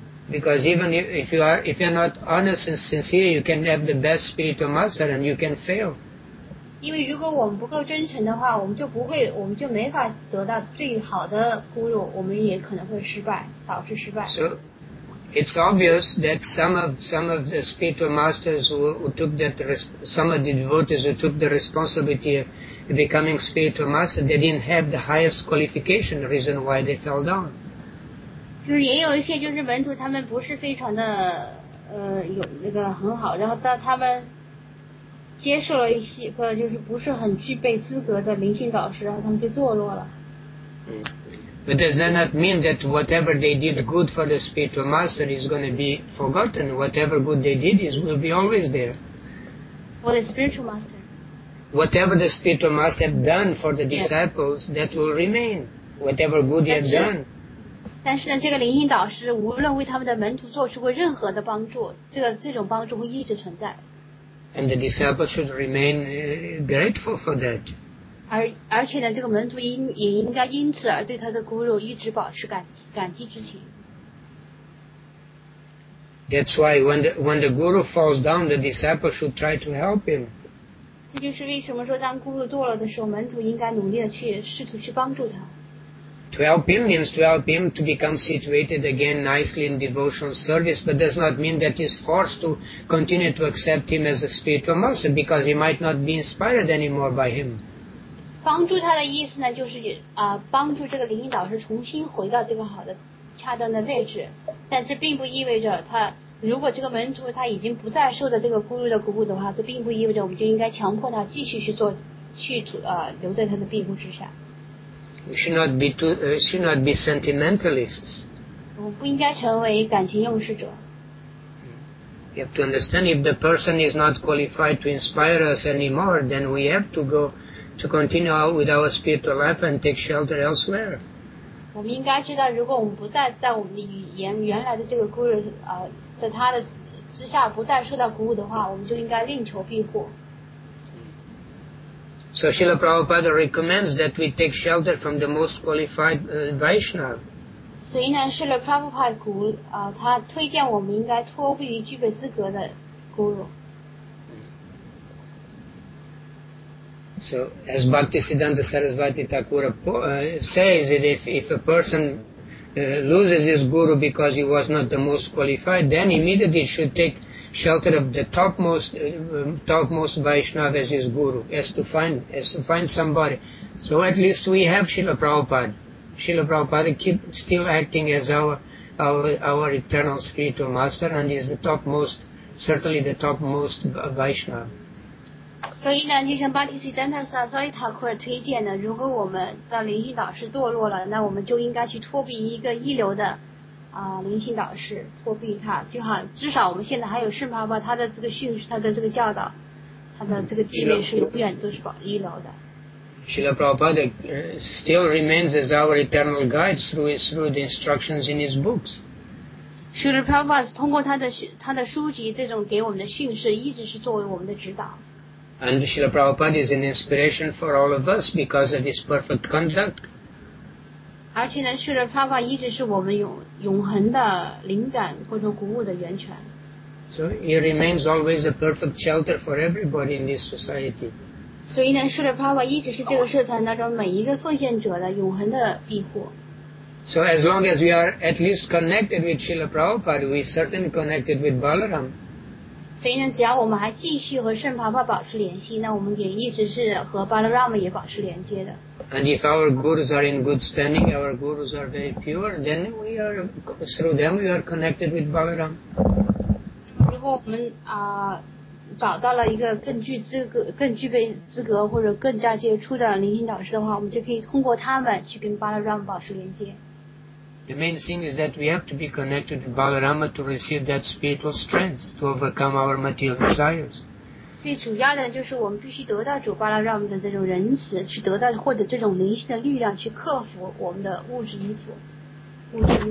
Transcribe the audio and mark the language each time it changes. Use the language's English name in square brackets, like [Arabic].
[English] Because even if you're not honest and sincere, you can have the best spiritual master and you can fail. [Chinese] 因为如果我们不够真诚的话，我们就没法得到最好的咕噜，我们也可能会失败，导致失败。 [English] So,It's obvious that some of the spiritual masters who took that some of the devotees who took the responsibility of becoming spiritual master, they didn't have the highest qualification. The reason why they fell down. [Chinese] 就是也有一些就是门徒，他们不是非常的有那个很好，然后但他们接受了一些个就是不是很具备资格的灵性导师，然后他们就堕落了。 [English] But does that not mean that whatever they did good for the spiritual master is going to be forgotten? Whatever good they did will be always there. For the spiritual master. Whatever the spiritual master had done for the disciples, that will remain. Whatever good he had done. [Chinese] 但是呢，这个灵性导师无论为他们的门徒做出过任何的帮助，这种帮助会一直存在。 [English] And the disciples should remain grateful for that. [Chinese] 而且呢，这个门徒也应该因此而对他的咕噜一直保持感激之情。 [English] That's why when the guru falls down, the disciple should try to help him. [Chinese] 这就是为什么说当咕噜堕落的时候，门徒应该努力的去试图去帮助他。 [English] To help him means to help him to become situated again nicely in devotional service, but does not mean that he's forced to continue to accept him as a spiritual master because he might not be inspired anymore by him. [Chinese] 帮助他的意思呢，就是帮助这个灵性导师重新回到这个好的恰当的位置，但这并不意味着他如果这个门徒他已经不再受到这个咕噜的鼓舞的话，这并不意味着我们就应该强迫他继续去做留在他的庇护之下。 [English] We should not be sentimentalists. [Chinese] 我不应该成为感情用事者。 [English] You have to understand if the person is not qualified to inspire us anymore, then we have to go to continue with our spiritual life and take shelter elsewhere. [Chinese] 我们应该知道，如果我们不再在我们的原来的这个咕噜在他的之下不再受到鼓舞的话，我们就应该另求庇护。 [English] So Srila Prabhupada recommends that we take shelter from the most qualified Vaishnava. [Chinese] 所以呢，Srila Prabhupada他推荐我们应该脱避于具备资格的咕噜。 [English] So, as Bhaktisiddhanta Sarasvati Thakura says, that if a person loses his guru because he was not the most qualified, then immediately he should take shelter of the topmost Vaishnava as his guru, as to find somebody. So at least we have Srila Prabhupada. Srila Prabhupada keeps still acting as our eternal spiritual master and is the topmost certainly the topmost Vaishnava. [Chinese] 所以呢，就像巴提西丹塔萨索里塔库尔推荐的，如果我们的灵性导师堕落了，那我们就应该去托庇一个一流的灵性导师，托庇他，就好至少我们现在还有圣帕巴，他的这个训示，他的这个教导，他的这个地位是永远都是保一流的。 [English] Srila Prabhupada still remains as our eternal guide through the instructions in his books. [Chinese] Srila Prabhupada 通过他的书籍这种给我们的训示，一直是作为我们的指导。 [English] And Srila Prabhupada is an inspiration for all of us because of his perfect conduct. [Chinese] 而且呢 Srila Prabhupada 一直是我们永恒的灵感或者鼓舞的源泉。 [English] So he remains always a perfect shelter for everybody in this society. [Chinese] 所以呢 Srila Prabhupada 一直是这个社团当中每一个奉献者的永恒的庇护。 [English] So as long as we are at least connected with Srila Prabhupada, we are certainly connected with Balaram. [Chinese] 所以呢，只要我们还继续和圣帕帕保持联系，那我们也一直是和巴拉拉姆也保持连接的。 [English] And if our gurus are in good standing, our gurus are very pure, then we are through them we are connected with Balaram. [Chinese] 如果我们找到了一个更具备资格或者更加杰出的灵性导师的话，我们就可以通过他们去跟巴拉拉姆保持连接。 [English] The main thing is that we have to be connected to Balarama to receive that spiritual strength to overcome our material desires. [Chinese] 最主要的就是我们必须得到主巴拉拉姆的这种仁慈，去得到或者这种灵性的力量，去克服我们的物质依附。